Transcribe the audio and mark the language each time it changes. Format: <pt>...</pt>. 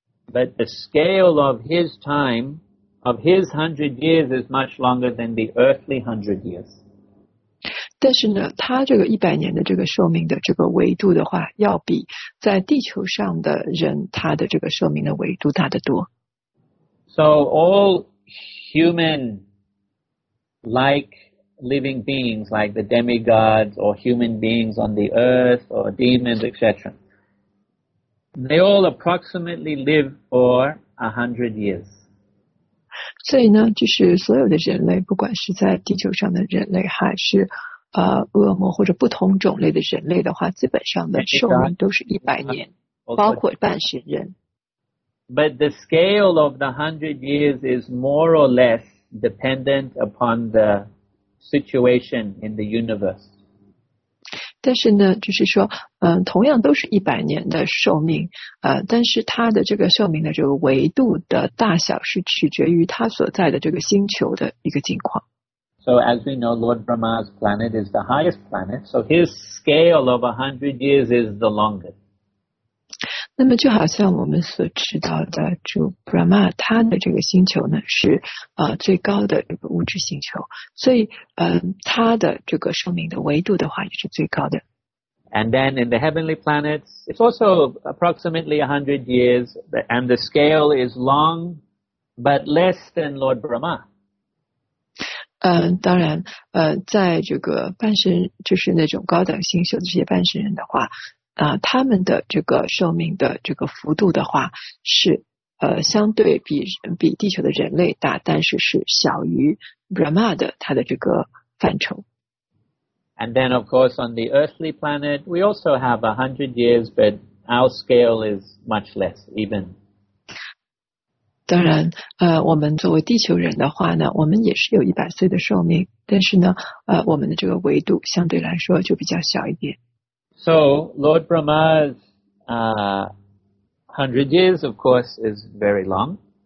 <en>But the scale of his time, of his 100 years, is much longer than the earthly 100 years.</en> <zh>但是呢，他这个一百年的这个寿命的这个维度的话，要比在地球上的人他的这个寿命的维度大得多。</zh> <en>So all human-like living beings, like the demigods or human beings on the earth or demons, etc., they all approximately live for 100 years.</en> <zh>所以呢，就是所有的人类，不管是在地球上的人类，还是恶魔或者不同种类的人类的话，基本上的寿命都是一百年，包括半神人。</zh> <en>But the scale of the 100 years is more or less dependent upon the situation in the universe.</en> <zh>但是呢，就是说，同样都是一百年的寿命，但是它的这个寿命的这个维度的大小是取决于它所在的这个星球的一个境况。</zh> <en>So as we know, Lord Brahma's planet is the highest planet, so his scale of 100 years is the longest.</en> <zh>那么就好像我们所知道的，主 Brahma 他的这个星球呢是最高的这个物质星球，所以他的这个寿命的维度的话也是最高的。</zh> <en>And then in the heavenly planets, it's also approximately 100 years, and the scale is long, but less than Lord Brahma.</en> <zh>当然，在这个半神，就是那种高等星球的这些半神人的话，他们的这个寿命的这个幅度的话，是相对比地球的人类大，但是是小于 Brahma 的他的这个范畴。</zh> <en>And then, of course, on the earthly planet, we also have 100 years, but our scale is much less, even.</en> <zh>当然，我们作为地球人的话呢，我们也是有100岁的寿命，但是呢，我们的这个维度相对来说就比较小一点。</zh> <en>So Lord Brahma's 100 years, of course, is very long.</en>